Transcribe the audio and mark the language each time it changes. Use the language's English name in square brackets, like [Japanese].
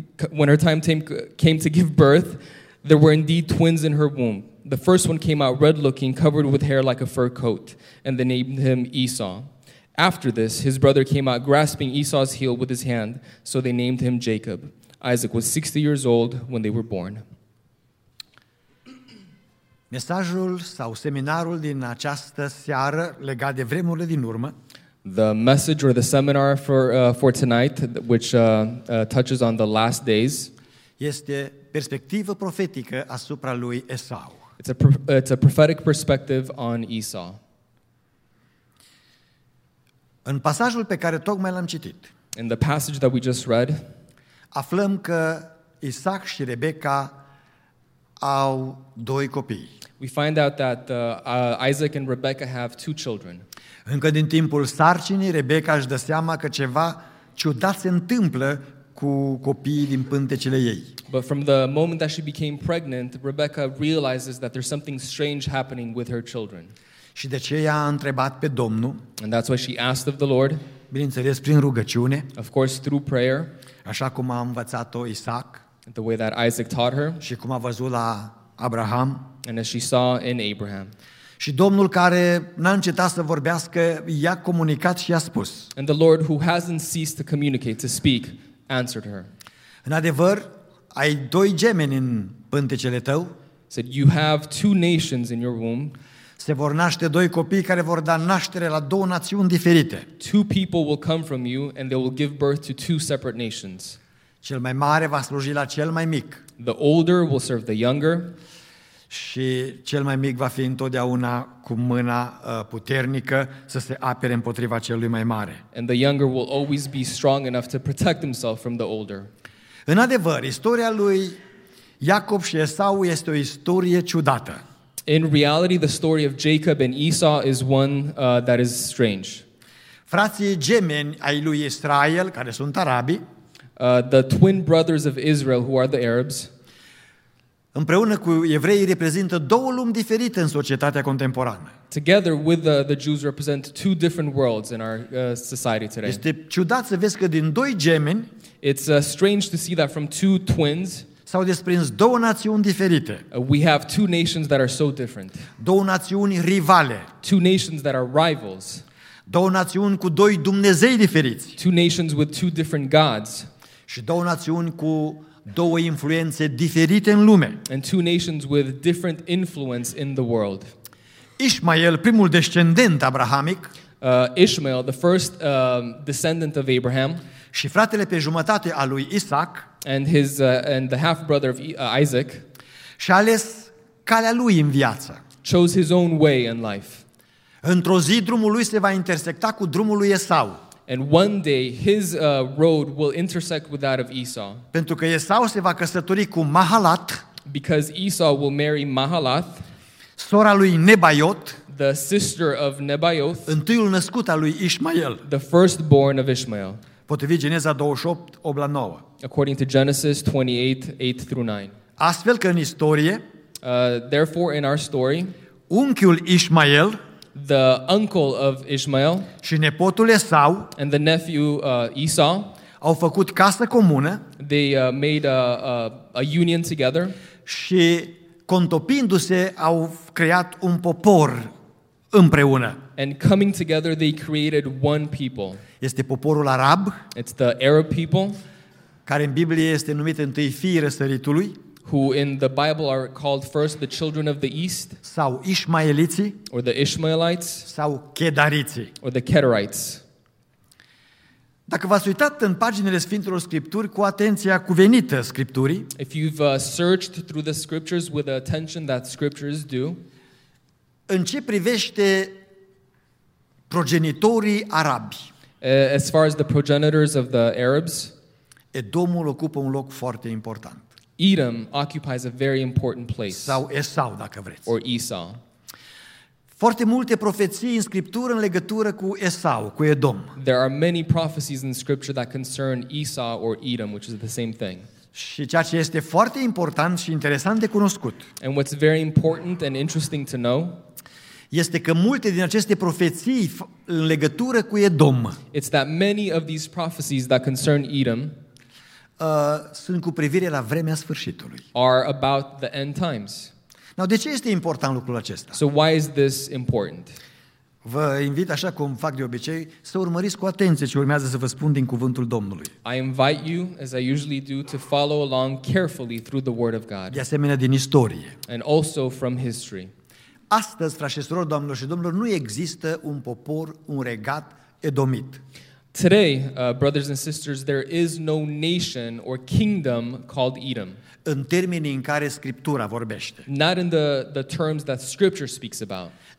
[English] When her time came to give birth, there were indeed twins in her womb. The first one came out red looking, covered with hair like a fur coat, and they named him Esau. After this, his brother came out grasping Esau's heel with his hand, so they named him Jacob. Isaac was 60 years old when they were born. [Romanian] Mesajul sau seminarul din această seară legat de vremurile din urmă. [English] The message or the seminar for tonight, which touches on the last days. [Romanian] Este perspectivă profetică asupra lui Esau. [English] It's a prophetic perspective on Esau. [Romanian] În pasajul pe care tocmai l-am citit. [English] In the passage that we just read. [Romanian] Aflăm că Isaac și Rebecca au doi copii. [English] We find out that Isaac and Rebecca have two children. [Romanian] Încă din timpul sarcinii, Rebecca își dă seama că ceva ciudat se întâmplă cu copiii din pântecele ei. [English] But from the moment that she became pregnant, Rebecca realizes that there's something strange happening with her children. [Romanian] Și de ce ea a întrebat pe Domnul? [English] And that's why she asked of the Lord. [Romanian] Bineînțeles, prin rugăciune. [English] Of course, through prayer. [Romanian] Așa cum a învățat-o Isaac. [English] The way that Isaac taught her. [Romanian] Și cum a văzut la Abraham. [English] And as she saw in Abraham. [Romanian] Și Domnul care n-a încetat să vorbească, i-a comunicat și i-a spus. [English] And the Lord who hasn't ceased to communicate, to speak, answered her. [Romanian] În adevăr, ai doi gemeni în pântecele tău. [English] Said, you have two nations in your womb. [Romanian] Se vor naște doi copii care vor da naștere la două națiuni diferite. [English] Two people will come from you and they will give birth to two separate nations. [Romanian] Cel mai mare va sluji la cel mai mic. [English] The older will serve the younger. [Romanian] Și cel mai mic va fi întotdeauna cu mâna puternică să se apere împotriva celui mai mare. [English] And the younger will always be strong enough to protect himself from the older. [Romanian] În adevăr, istoria lui Iacob și Esau este o istorie ciudată. [English] In reality, the story of Jacob and Esau is one that is strange. [Romanian] Frații gemeni ai lui Israel, care sunt arabi, [English] the twin brothers of Israel, who are the Arabs, [Romanian] împreună cu evreii reprezintă două lumi diferite în societatea contemporană. [English] Together with the Jews represent two different worlds in our society today. [Romanian] Este ciudat să vezi că din doi gemeni, [English] it's strange to see that from two twins, [Romanian] s-au desprins două națiuni diferite. [English] We have two nations that are so different. [Romanian] Două națiuni rivale. [English] Two nations that are rivals. [Romanian] Două națiuni cu doi dumnezei diferiți. [English] Two nations with two different gods. [Romanian] Și două națiuni cu două influențe diferite în lume. [English] And two nations with different influence in the world. [Romanian] Ismael, primul descendent abrahamic, [English] Ishmael, the first descendant of Abraham, [Romanian] și fratele pe jumătate al lui Isaac, [English] and the half brother of Isaac, [Romanian] și-a ales calea lui în viață. [English] Chose his own way in life. [Romanian] Într-o zi drumul lui se va intersecta cu drumul lui Esau. [English] And one day his road will intersect with that of Esau. [Romanian] Pentru că Esau se va căsători cu Mahalat. [English] Because Esau will marry Mahalat. [Romanian] Sora lui Nebaiot, [English] the sister of Nebaioth, [Romanian] întâiul născut al lui Ishmael, [English] the firstborn of Ishmael, [Romanian] potrivit Geneza 28:8-9. [English] According to Genesis 28:8-9. [Romanian] Astfel că în istorie, [English] therefore in our story, [Romanian] unchiul Ishmael, [English] the uncle of Ishmael, [Romanian] și nepotul Esau, [English] and the nephew Esau, [Romanian] au făcut casă comună, [English] they made a union together, [Romanian] și contopindu-se au creat un popor împreună. [English] And coming together they created one people. [Romanian] Este poporul arab. [English] It's the Arab people. [Romanian] Care în Biblie este numit întâi fii răsăritului. [English] Who in the Bible are called first the children of the east. [Romanian] Sau ishmaeliții. [English] Or the Ishmaelites. [Romanian] Sau kedariții. [English] Or the Kedarites. [Romanian] Dacă v-ați uitat în paginile Sfintelor Scripturi cu atenția cuvenită Scripturii, [English] if you've searched through the Scriptures with the attention that Scriptures do, [Romanian] în ce privește progenitorii arabi, [English] as far as the progenitors of the Arabs, [Romanian] Edomul ocupă un loc foarte important. [English] Edom occupies a very important place. [Romanian] Sau Esau, dacă vreți. [English] Or Esau. [Romanian] Foarte multe profeții în Scriptură în legătură cu Esau, cu Edom. [English] There are many prophecies in Scripture that concern Esau or Edom, which is the same thing. [Romanian] Și ceea ce este foarte important și interesant de cunoscut. [English] And what's very important and interesting to know, [Romanian] este că multe din aceste profeții în legătură cu Edom, [English] it's that many of these prophecies that concern Edom, [Romanian] sunt cu privire la vremea sfârșitului. [English] Are about the end times. [Romanian] Now, de ce este important lucrul acesta? [English] So why is this important? [Romanian] Vă invit, așa cum fac de obicei, să urmăriți cu atenție ce urmează să vă spun din cuvântul Domnului. [English] I invite you, as I usually do, to follow along carefully through the word of God. [Romanian] De asemenea, din istorie. [English] And also from history. [Romanian] Astăzi, frașesorilor, doamnelor și domnilor, nu există un popor, un regat edomit. [English] Today, brothers and sisters, there is no nation or kingdom called Edom. [Romanian] În termenii în care Scriptura vorbește. [English] Not in the terms that Scripture speaks about.